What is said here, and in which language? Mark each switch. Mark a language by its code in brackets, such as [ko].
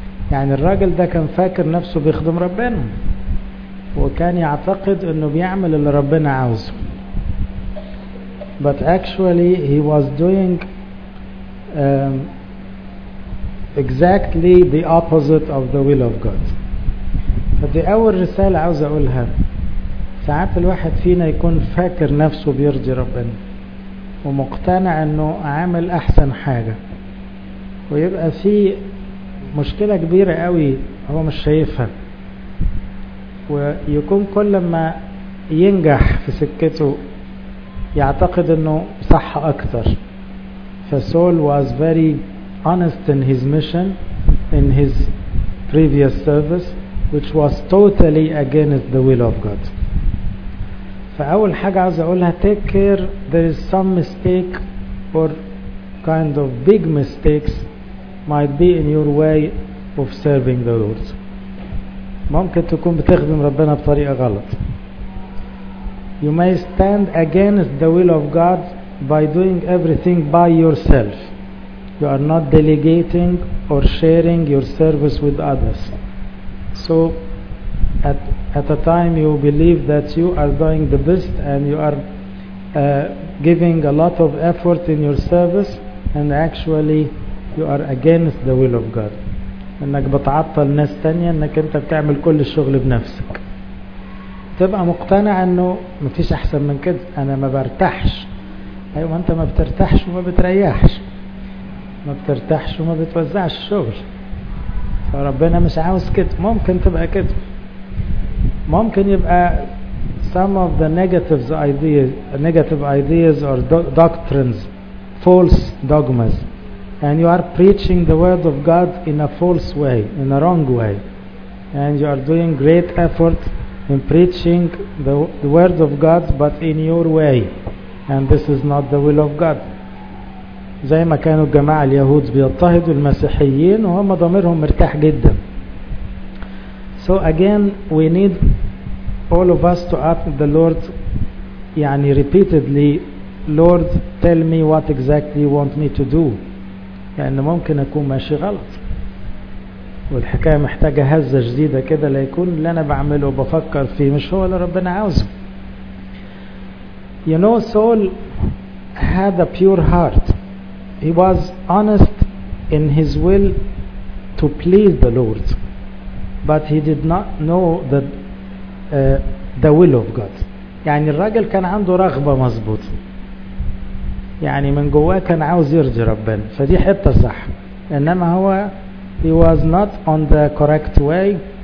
[ar] يعني الراجل ده كان فاكر نفسه بيخدم ربنا وكان يعتقد انه بيعمل اللي ربنا عاوزه. [en] But actually he was doing exactly the opposite of the will of God. [ar] فدي اول رسالة عاوز اقولها. ساعات الواحد فينا يكون فاكر نفسه بيرضي ربنا ومقتنع انه عامل احسن حاجة, ويبقى فيه مشكلة كبيرة قوي هو مش شايفها, ويكون كل ما ينجح في سكته يعتقد انه صح اكتر. [en] فسول was very honest in his mission, in his previous service, which was totally against the will of God. [ar] فأول حاجة عايز اقولها, [en] take care there is some mistake or kind of big mistakes might be in your way of serving the Lord. [ar] ممكن تكون بتخدم ربنا بطريقة غلط. [en] You may stand against the will of God by doing everything by yourself. You are not delegating or sharing your service with others. So at a time you believe that you are doing the best and you are giving a lot of effort in your service, and actually you are against the will of God. [ar] انك بتعطل ناس تانية انك انت بتعمل كل الشغل بنفسك. تبقى مقتنع انه مفيش احسن من كده. انا ما برتاحش. ايوه انت ما بترتاحش وما بتريحش. ما بترتاحش وما بتوزعش الشغل. فربنا مش عاوز كده. ممكن تبقى كده. ممكن يبقى [en] some of the negative ideas or doctrines, false dogmas. And you are preaching the word of God in a false way, in a wrong way. And you are doing great effort in preaching the word of God, but in your way. And this is not the will of God. [ar] زي ما كانوا الجماعة اليهود بيضطهدوا المسيحيين وهم ضميرهم مرتاح جدا. [en] So again, we need all of us to ask the Lord, [ar] يعني [en] repeatedly, Lord, tell me what exactly you want me to do. [ar] لأن ممكن أكون ماشي غلط والحكاية محتاجة هزة جديدة كده ليكون اللي أنا بعمله وبفكر فيه مش هو اللي ربنا عاوزه. [en] You know, Saul had a pure heart. He was honest in his will to please the Lord, but he did not know the will of God. [ar] يعني الراجل كان عنده رغبة مظبوطة، يعني من جواه كان عاوز يرضي ربنا، فدي حته صح. انما هو [en] he was not on the correct way.